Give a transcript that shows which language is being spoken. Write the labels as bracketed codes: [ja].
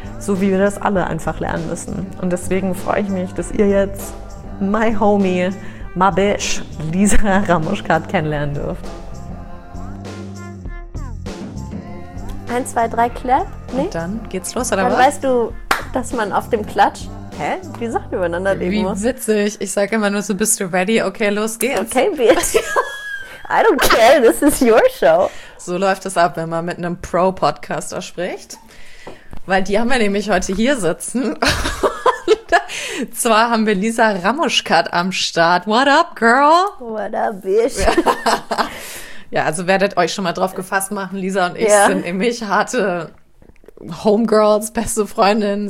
[de] So wie wir das alle einfach lernen müssen. Und deswegen freue ich mich, dass ihr jetzt [en] my homie, my bitch, [de] Lisa Ramoschkat kennenlernen dürft. [en] 1, 2, 3, clap. [de] Nee? Und dann geht's los, oder dann was? Dann weißt du, dass man auf dem Klatsch, hä, die Sachen übereinander leben wie muss. Wie witzig. Ich sage immer nur so, bist du ready? Okay, los geht's. [en] Okay, bitch. I don't care, this is your show. [de] So läuft es ab, wenn man mit einem Pro-Podcaster spricht. Weil die haben wir nämlich heute hier sitzen. Und zwar haben wir Lisa Ramoschkat am Start. [en] What up, girl? What up, bitch? [de] Ja, also werdet euch schon mal drauf gefasst machen. Lisa und ich sind nämlich harte Homegirls, beste Freundinnen.